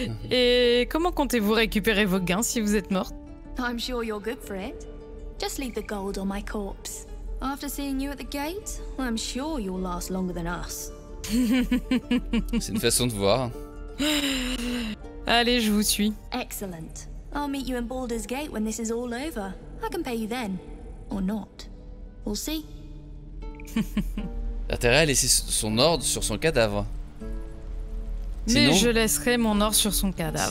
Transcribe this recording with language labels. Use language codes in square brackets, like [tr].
[fr] Et comment comptez-vous récupérer vos gains si vous êtes morte? [en] I'm sure you're good for it. Just leave the gold on my corpse. After seeing you at the gate, I'm sure you'll last longer than us. [fr] C'est une façon de voir. Allez, je vous suis. Excellent. [en] I'll meet you in Baldur's Gate when this is all over. I can pay you then. Or not. We'll see. [fr] L'intérêt à laisser son or sur son cadavre. Mais sinon, je laisserai mon or sur son cadavre.